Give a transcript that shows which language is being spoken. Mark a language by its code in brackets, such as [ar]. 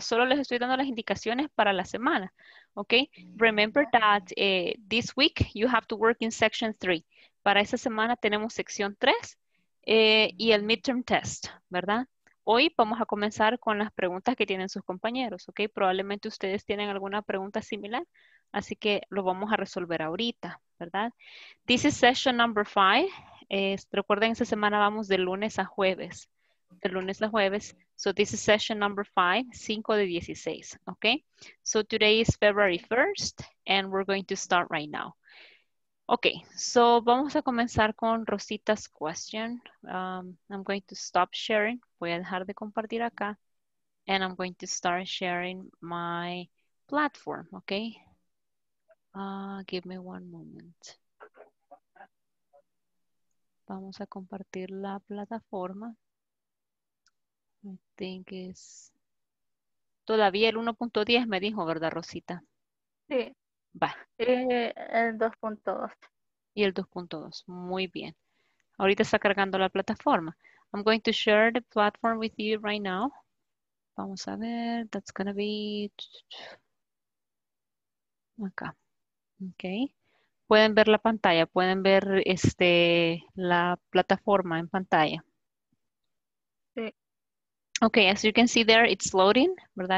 [es] Solo les estoy dando las indicaciones para la semana. Ok. [en] Remember that this week you have to work in section 3. [es] Para esa semana tenemos sección 3 y el midterm test, ¿verdad? Hoy vamos a comenzar con las preguntas que tienen sus compañeros. Ok. Probablemente ustedes tienen alguna pregunta similar. Así que lo vamos a resolver ahorita, ¿verdad? This is session number 5. Recuerden, esta semana vamos de lunes a jueves. [en] De lunes a jueves. So this is session number 5, 5 de 16, ¿ok? So today is February 1st and we're going to start right now. [es] Ok, so vamos a comenzar con Rosita's question. [en] I'm going to stop sharing. Voy a dejar de compartir acá. And I'm going to start sharing my platform, ¿ok? Give me one moment. [es] Vamos a compartir la plataforma. I think it's... Todavía el 1.10 me dijo, ¿verdad, Rosita? Sí. Va. El 2.2. Y el 2.2. Muy bien. Ahorita está cargando la plataforma. [en] I'm going to share the platform with you right now. [es] Vamos a ver. That's going to be... Acá. Okay, pueden ver la pantalla, pueden ver este la plataforma en pantalla. Sí. [en] Okay, as you can see there, it's loading, ¿verdad?